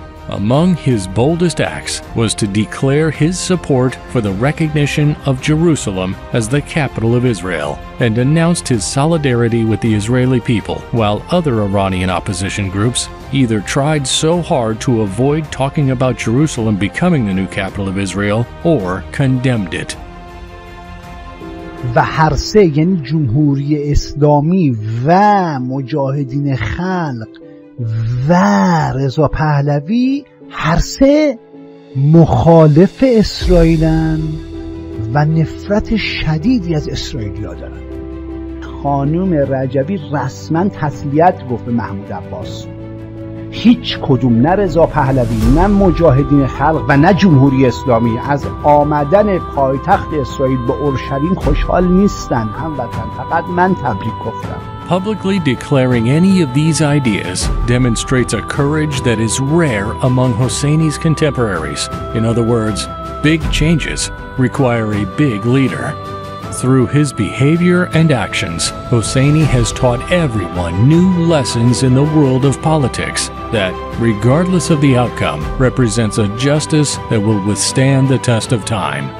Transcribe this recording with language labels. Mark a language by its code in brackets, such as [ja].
[en] Among his boldest acts was to declare his support for the recognition of Jerusalem as the capital of Israel and announced his solidarity with the Israeli people, while other Iranian opposition groups either tried so hard to avoid talking about Jerusalem becoming the new capital of Israel or condemned it. [fa] و هر سه یعنی جمهوری اسلامی و مجاهدین خلق و رضا پهلوی هر سه مخالف اسرائیلن و نفرت شدیدی از اسرائیلیا دارن. خانم رجبی رسما تسلیت گفت به محمود عباس. هیچ کدوم نه رضا پهلوی نه مجاهدین خلق و نه جمهوری اسلامی از آمدن پایتخت اسرائیل به اورشلیم خوشحال نیستند. هموطن، فقط من تبریک گفتم. [en] Publicly declaring any of these ideas demonstrates a courage that is rare among Hosseini's contemporaries. In other words, big changes require a big leader. Through his behavior and actions, Hosseini has taught everyone new lessons in the world of politics that, regardless of the outcome, represents a justice that will withstand the test of time.